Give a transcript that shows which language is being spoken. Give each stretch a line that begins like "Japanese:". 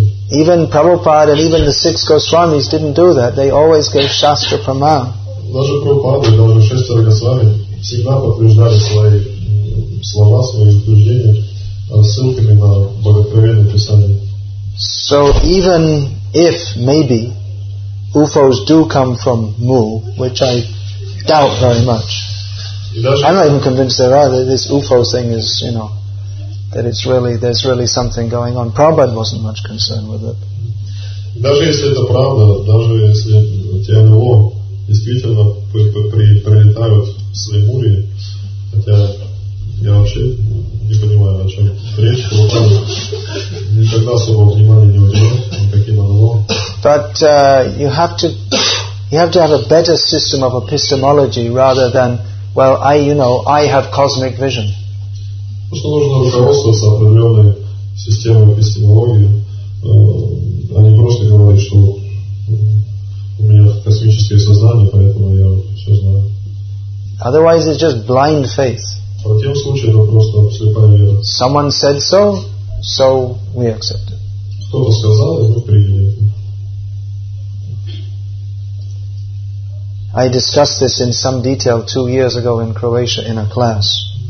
English: Even Prabhupada and even the six Goswamis didn't do that. They always gave Shastra Pramana.
Russian: Даже Прабхупада и даже шестеро Госвами всегда подтверждали свои слова, свои утверждения ссылками на Богооткровенное Писание.
English: So even if maybe UFOs do come from Mu, which I doubt very much. I'm not even convinced there are, that this UFO thing is, you know, that it's really, there's really something going on. Prabhupada wasn't much concerned with it.
Russian: Даже если это правда, даже если ТНО действительно прилетают с Лемурии, хотя я вообще не понимаю, о чем речь, но там никогда особого внимания не уделял никаким аналогам.
English: But you have to have a better system of epistemology rather than, well, I have cosmic vision.
Russian: Потому что нужно руководствоваться определенной системой эпистемологии, а не просто говорить, что у меня космическое сознание, поэтому я все знаю.
English: Otherwise it's just blind faith.
Russian: В противном случае это просто слепая вера.
English: Someone said so, so we accept it.
Russian: Кто-то сказал, и мы приняли это.
English: I discussed this in some detail 2 years ago in Croatia in a class.